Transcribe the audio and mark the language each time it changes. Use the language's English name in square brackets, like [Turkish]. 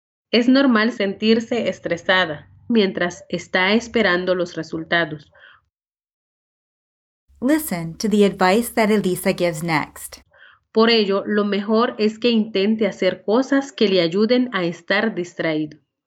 [Spanish] Es normal sentirse estresada mientras está esperando los resultados. [English] Listen to the advice that Elisa gives next. [Spanish] Por ello, lo mejor es que intente hacer cosas que le ayuden a estar distraído.